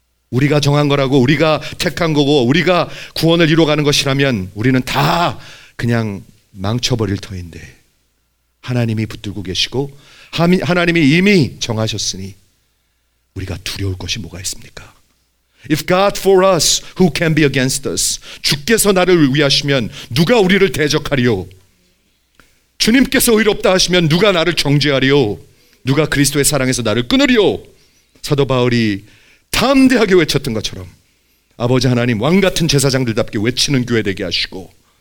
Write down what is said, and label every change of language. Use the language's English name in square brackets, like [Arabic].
[Korean] 우리가 정한 거라고 우리가 택한 거고 우리가 구원을 이루어가는 것이라면 우리는 다 그냥 망쳐버릴 터인데 하나님이 붙들고 계시고 하나님이 이미 정하셨으니 우리가 두려울 것이 뭐가 있습니까? [English] If God for us, who can be against us? [Korean] 주께서 나를 위하시면 누가 우리를 대적하리요? 주님께서 의롭다 하시면 누가 나를 정죄하리요? 누가 그리스도의 사랑에서 나를 끊으리요? 사도 바울이 담대하게 외쳤던 것처럼 아버지 하나님 왕같은 제사장들답게 외치는 교회 되게 하시고